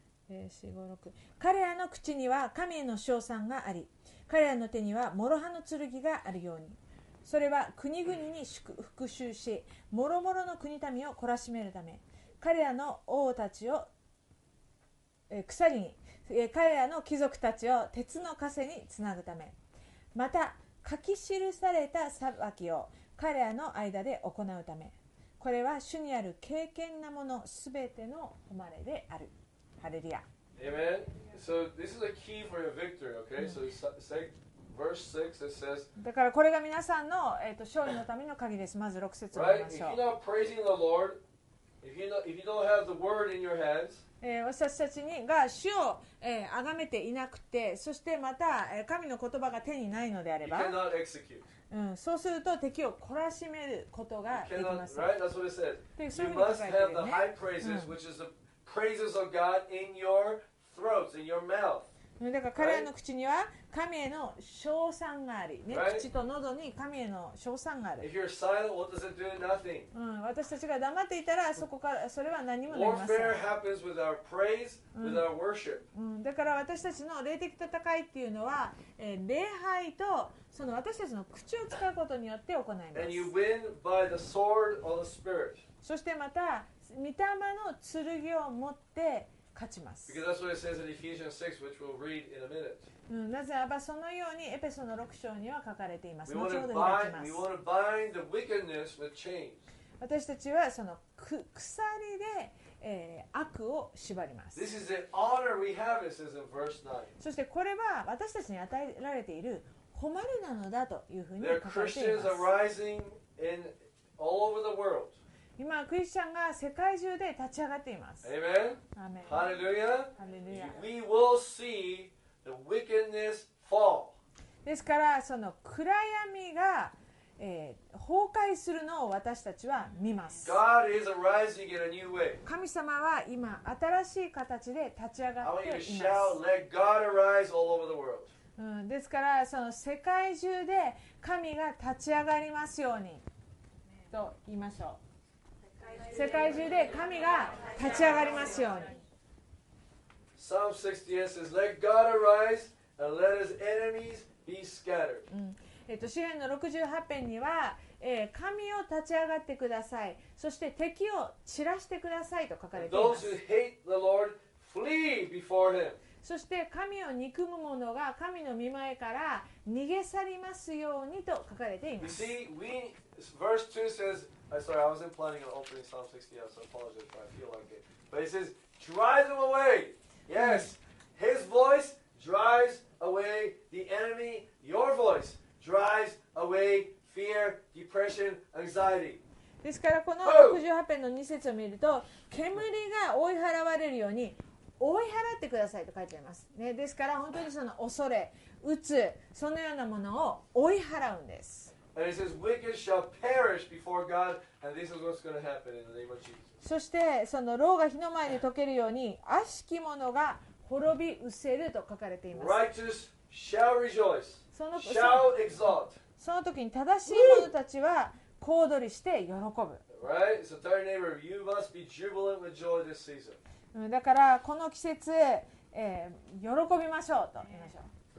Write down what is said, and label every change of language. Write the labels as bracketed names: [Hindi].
[Japanese] 4-5-6 彼らの口には神への称賛があり、彼らの手には諸刃の剣があるように、それは国々に復讐し、諸々の国民を懲らしめるため、彼らの王たちを鎖に、彼らの貴族たちを鉄の枷につなぐため、また書き記された裁きを彼らの間で行うため、これは主にある敬虔なものすべての誉れである。ハレルヤ。 [English] Amen. So this is a key for your victory, okay? So verse 6 it says. [Japanese] だからこれが皆さんの勝利のための鍵です。まず6節を見ましょう。 [English] Right? If you're not praising the Lord, if you don't have the word in your hands. [Japanese] 私たちにが主を崇めていなくて、そしてまた神の言葉が手にないのであれば、 [English] you cannot execute. [Japanese] そうすると敵を懲らしめることができません。 [English] Right? That's what it says. You must have the high praises, which is thePraises of God in your throats, in your mouth. [Japanese] だから彼らの口には神への称賛があり、ね、 [English] right? [Japanese] 口と喉に神への称賛がある。 [English] If you're silent, what does it do? Nothing. [Japanese] 私たちが黙っていたらそこからそれは何もなりません。 [English] Warfare happens with our praise, with our worship. [Japanese] だから私たちの霊的戦いっていうのは、礼拝とその私たちの口を使うことによって行います。 [English] And you win by the sword of the Spirit. [Japanese] そしてまた御霊の剣を持って勝ちます。 [English] Because that's what it says in Ephesians 6, which we'll read in a minute. [Japanese] なぜならばそのようにエペソの6章には書かれています。後ほど開きます。 [English] We want to bind the wickedness with chains. [Japanese] 私たちはその鎖で、悪を縛ります。 [English] This is the honor we have, it says in verse 9. [Japanese] そしてこれは私たちに与えられている誉れなのだというふうに書かれています。 [English] There are Christians arising in all over the world. [Japanese] 今クリスチャンが世界中で立ち上がっています。 [English] Amen. Amen. Hallelujah. Hallelujah. We will see the wickedness fall. [Japanese] ですからその暗闇が、崩壊するのを私たちは見ます。 [English] God is arising in a new way. [Japanese] 神様は今新しい形で立ち上がっています。 [English] I want you to shout, let God arise all over the world. [Japanese] ですからその世界中で神が立ち上がりますようにと言いましょう。世界中で神が立ち上がりますように。 [English] Psalm 68 says, Let God arise and let his enemies be scattered. [Japanese] 詩編の68編には、神を立ち上がってください。そして敵を散らしてくださいと書かれています。 [English] Those who hate the Lord flee before him. [Japanese] そして神を憎む者が神の御前から逃げ去りますようにと書かれています。 [English] You see, verse 2 says,Sorry, I wasn't planning on opening Psalm 68, so I apologize, but I feel like it. But it says, drive them away. Yes, his voice drives away the enemy. Your voice drives away fear, depression, anxiety. [Japanese] ですからこの68編の2節を見ると、煙が追い払われるように追い払ってくださいと書いてあります。ね、ですから本当にその恐れ、鬱、そのようなものを追い払うんです。 [English] And it says, wicked shall perish before God, and this is what's going to happen in the name of Jesus. [Japanese] そしてその牢が火の前に溶けるように悪しき者が滅び失せると書かれています。 [English] Righteous shall rejoice, shall exalt. [Japanese] その時に正しい者たちは小躍りして喜ぶ。 [English] Right? So tell your neighbor, you must be jubilant with joy this season. [Japanese] だからこの季節、喜びましょうと言いましょう。